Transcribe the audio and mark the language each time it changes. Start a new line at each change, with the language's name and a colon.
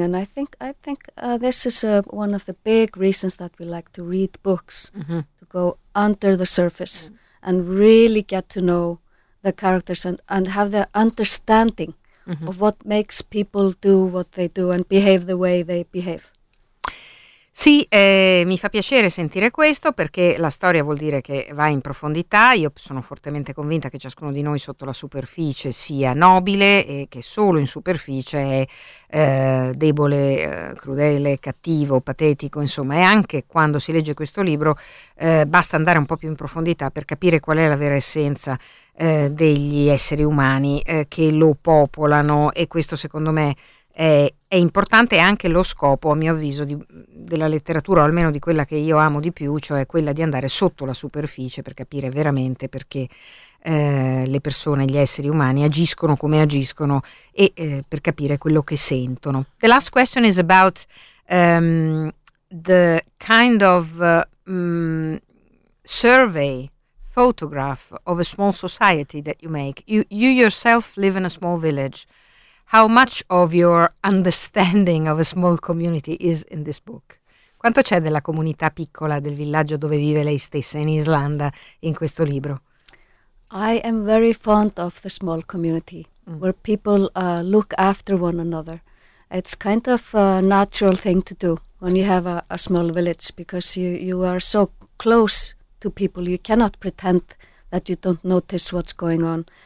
English: And I think this is one of the big reasons that we like to read books, mm-hmm. to go under the surface mm-hmm. and really get to know the characters and have the understanding mm-hmm. of what makes people do what they do and behave the way they behave.
Italian: Sì, mi fa piacere sentire questo perché la storia vuol dire che va in profondità. Io sono fortemente convinta che ciascuno di noi sotto la superficie sia nobile e che solo in superficie è debole, crudele, cattivo, patetico, insomma. E anche quando si legge questo libro basta andare un po' più in profondità per capire qual è la vera essenza degli esseri umani che lo popolano, e questo secondo me è importante. Anche lo scopo, a mio avviso, della letteratura, o almeno di quella che io amo di più, cioè quella di andare sotto la superficie per capire veramente perché le persone, gli esseri umani agiscono come agiscono, e per capire quello che sentono.
English: The last question is about the kind of survey, photograph of a small society that you make. You yourself live in a small village. How much of your understanding of a small community is in this book?
Italian: Quanto c'è della comunità piccola del villaggio dove vive lei stessa in Islanda in questo libro?
English: I am very fond of the small community where people look after one another. It's kind of a natural thing to do when you have a small village because you are so close to people. You cannot pretend that you don't notice what's going on.